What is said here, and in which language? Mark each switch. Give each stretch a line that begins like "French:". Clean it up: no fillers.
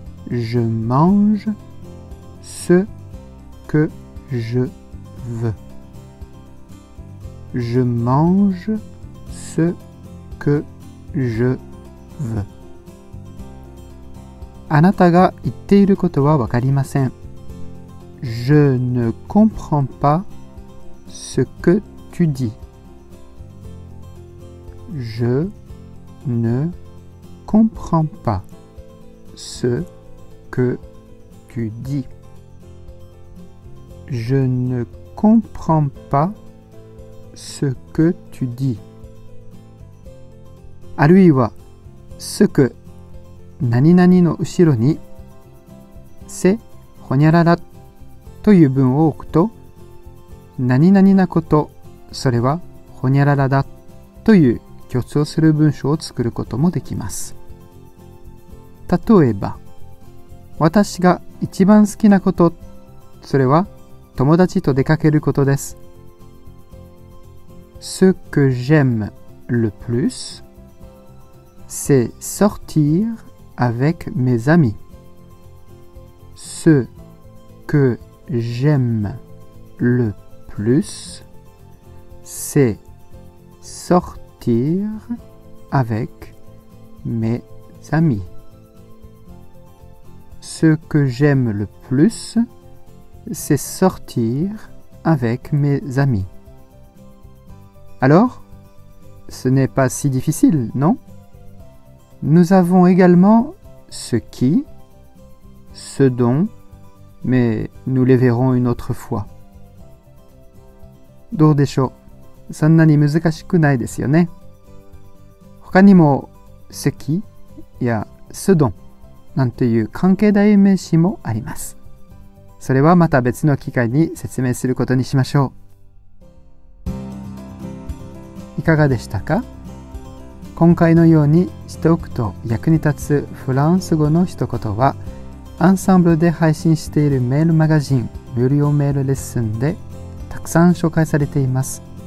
French: Je mange ce que je veux. Je mange ce que je veux.
Japanese: あなたが言っていることはわかりません。
French: Je ne comprends pas ce que tu dis. Je ne comprends pas ce que tu dis. Je ne comprends pas ce que tu dis.
Japanese: あるいは、ce que 何々の後ろに、c'est ほにゃららという文を置くと、何々なこと、それはほにゃららだという強調する文章を作ることもできます。例えば、私が一番好きなこと、それは友達と出かけることです。
French: Ce que j'aime le plus, c'est sortir avec mes amis. Ce que j'aime le plus, c'est sortir avec mes amis. Ce que j'aime le plus, c'est sortir avec mes amis. Alors, ce n'est pas si difficile, non? Nous avons également ce qui, ce dont, mais nous les verrons une autre fois.
Japanese: どうでしょう? そんなに難しくないですよね? 他にも、ce qui, や ce dont. なんていう関係代名詞もあります。それはまた別の機会に説明することにしましょう。いかがでしたか？今回のようにしておくと役に立つフランス語の一言は、アンサンブルで配信しているメールマガジン無料メールレッスンでたくさん紹介されています。